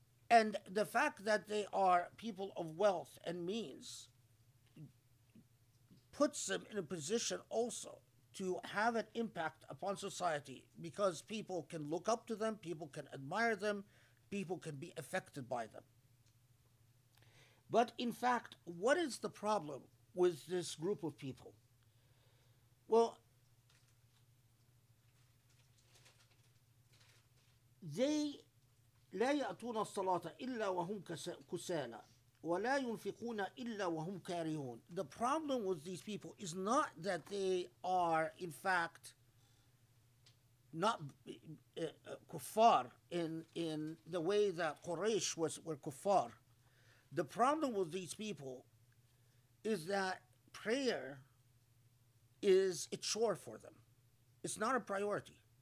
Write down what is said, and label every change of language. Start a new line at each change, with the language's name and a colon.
English: And the fact that they are people of wealth and means puts them in a position also to have an impact upon society, because people can look up to them, people can admire them, people can be affected by them. But in fact, what is the problem with this group of people? Well, they
Arabic: لا يأتون الصلاة إلا وهم كسالى ولا ينفقون إلا وهم كارهون.
English: The problem with these people is not that they are in fact not kuffar in the way that Quraysh were kuffar. The problem with these people is that prayer is a chore for them. It's not a priority.